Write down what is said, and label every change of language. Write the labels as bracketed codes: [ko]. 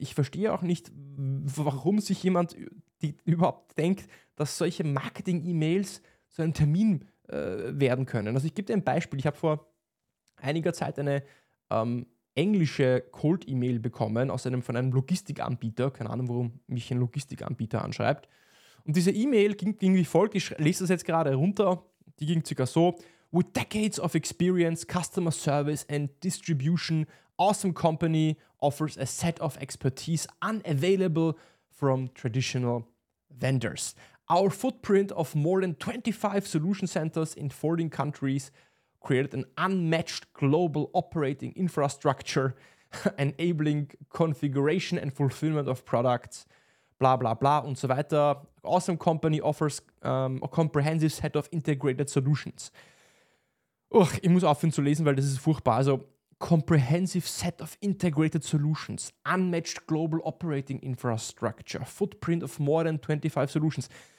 [de] Ich verstehe auch nicht, warum sich jemand überhaupt denkt, dass solche Marketing-E-Mails zu einem Termin werden können. Also ich gebe dir ein Beispiel. Ich habe vor einiger Zeit eine englische Cold-E-Mail bekommen von einem Logistikanbieter. Keine Ahnung, warum mich ein Logistikanbieter anschreibt. Und diese E-Mail ging wie folgt. Ich lese das jetzt gerade runter. Die ging circa so. [en] With decades of experience, customer service and distribution, Awesome Company offers a set of expertise unavailable from traditional vendors. Our footprint of more than 25 solution centers in 14 countries created an unmatched global operating infrastructure, enabling configuration and fulfillment of products, bla bla bla [de] und so weiter. [en] Awesome Company offers a comprehensive set of integrated solutions. [de] Uch, ich muss aufhören zu lesen, weil das ist furchtbar. [en] Also, comprehensive set of integrated solutions, unmatched global operating infrastructure, footprint of more than 25 solutions.